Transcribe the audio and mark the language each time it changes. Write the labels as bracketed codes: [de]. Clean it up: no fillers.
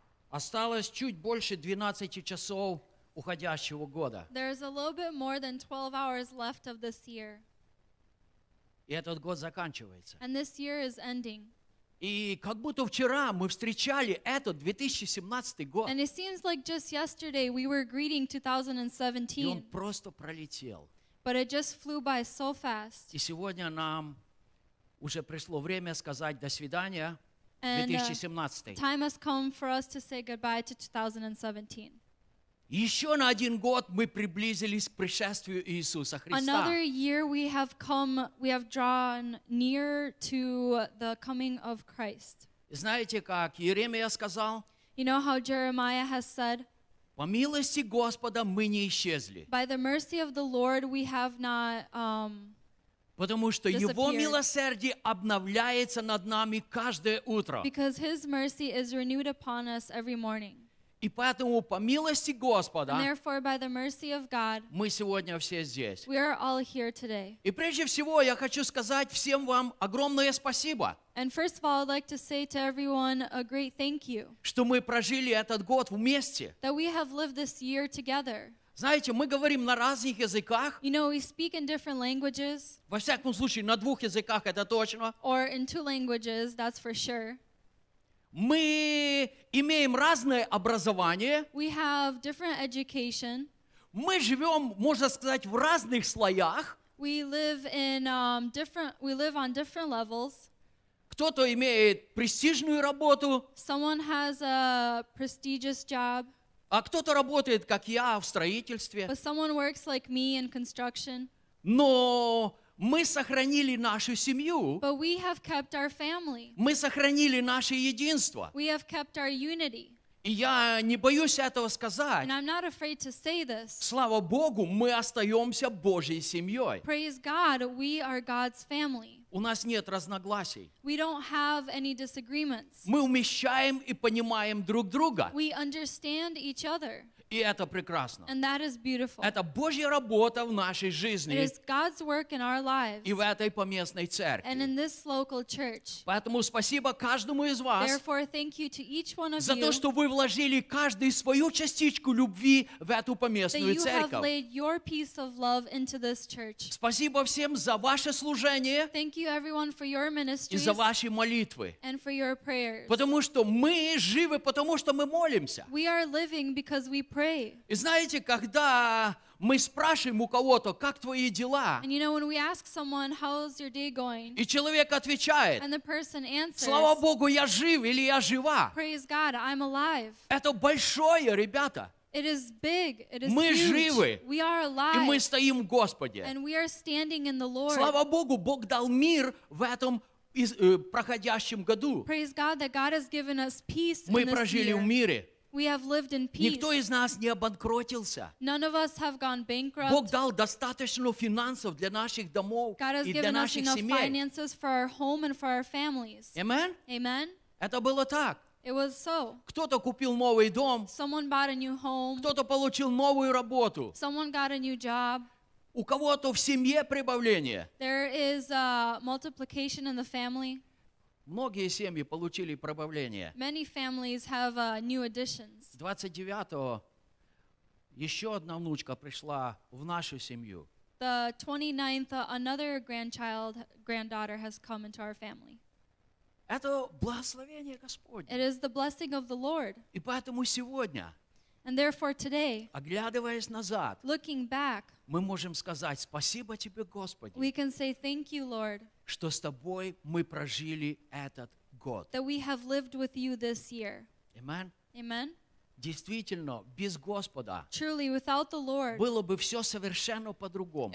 [ru] Осталось чуть больше 12 часов уходящего года. [en] There is a little bit more than 12 hours left of this year. [ru] И этот год заканчивается. [en] And this year is ending. [ru] И как будто вчера мы встречали этот 2017 год. [en] And it seems like just yesterday we were greeting 2017. [ru] И он просто пролетел. [en] But it just flew by so fast. [ru] И сегодня нам уже пришло время сказать до свидания 2017. [en] Time has come for us to say goodbye to 2017. [ru] Еще на один год мы приблизились к пришествию Иисуса Христа. [en] Another year we have drawn near to the coming of Christ. [ru] Знаете, как Иеремия сказал? [en] You know how Jeremiah has said? [ru] По милости Господа мы не исчезли. [en] By the mercy of the Lord we have not [ru] Потому что Его милосердие обновляется над нами каждое утро. [en] Because His mercy is renewed upon us every morning. [ru] И поэтому по милости Господа [en] And therefore, by the mercy of God, [ru] мы сегодня все здесь. [en] We are all here today. [ru] И прежде всего я хочу сказать всем вам огромное спасибо. [en] And first of all, I'd like to say to everyone a great thank you. [ru] Что мы прожили этот год вместе. [en] That we have lived this year together. [ru] Знаете, мы говорим на разных языках. [en] You know, we speak in different languages. [ru] Во всяком случае, на двух языках, это точно. [en] Or in two languages, that's for sure. [ru] Мы имеем разное образование. [en] We have different education. [ru] Мы живем, можно сказать, в разных слоях. [en] We live in different levels. [ru] Кто-то имеет престижную работу. [en] Someone has a prestigious job. [ru] А кто-то работает, как я, в строительстве. [en] But someone works like me in construction. [ru] Но мы сохранили нашу семью. [en] But we have kept our family. [ru] Мы сохранили наше единство. [en] We have kept our unity. [ru] И я не боюсь этого сказать. [en] And I'm not afraid to say this. [ru] Слава Богу, мы остаемся Божьей семьей. [en] Praise God, we are God's family. [ru] У нас нет разногласий. [en] We don't have any disagreements. [ru] Мы умещаем и понимаем друг друга. [en] We understand each other. [ru] И это прекрасно. [en] And that is beautiful. [ru] Это Божья работа в нашей жизни. [en] It is God's work in our lives. [ru] И в этой поместной церкви. [en] And in this local church. [ru] Поэтому спасибо каждому из вас. [en] Therefore, thank you to each one of [ru] за то, что вы вложили каждый свою частичку любви в эту поместную церковь. [en] That you have laid your piece of love into this church. [ru] Спасибо всем за ваше служение. [en] Thank you, everyone, for your ministries [ru] и за ваши молитвы. [en] And for your prayers. [ru] Потому что мы живы, потому что мы молимся. [en] We are living because we pray. pray. [ru] И знаете, когда мы спрашиваем у кого-то, как твои дела? [en] And you know, when we ask someone, how's your day going? [ru] И человек отвечает, [en] and the person answers, [ru] слава Богу, я жив или я жива. [en] Praise God, I'm alive. [ru] Это большое, ребята. [en] It is big. It is [ru] мы [en] huge. [ru] Живы. [en] We are alive. [ru] И мы стоим в Господе. [en] And we are standing in the Lord. [ru] Слава Богу, Бог дал мир в этом проходящем году. [en] Praise God that God has given us peace [ru] мы [en] in this [ru] прожили [en] year. [ru] В мире. [en] We have lived in peace. [ru] Никто из нас не обанкротился. [en] None of us have gone bankrupt. [ru] Бог дал достаточно финансов для наших домов [en] God has [ru] и для [en] given [ru] наших [en] us [ru] семей. [en] Finances for our home and for our families. Amen? Amen? [ru] Это было так. [en] It was so. [ru] Кто-то купил новый дом. [en] Someone bought a new home. [ru] Кто-то получил новую работу. [en] Someone got a new job. [ru] У кого-то в семье прибавление. [en] There is a multiplication in the family. [ru] Многие семьи получили прибавление. [en] Many families have new additions. [ru] 29-го еще одна внучка пришла в нашу семью. [en] The 29th, another grandchild, granddaughter has come into our family. [ru] Это благословение Господне. [en] It is the blessing of the Lord. [ru] И поэтому сегодня, [en] and therefore today, [ru] оглядываясь назад, [en] looking back, [ru] мы можем сказать спасибо тебе, Господи. [en] We can say thank you, Lord. [ru] Что с тобой мы прожили этот год. [en] That we have lived with you this year. Amen. Amen. [ru] Действительно, без Господа [en] truly, without the Lord, [ru] было бы все совершенно по-другому.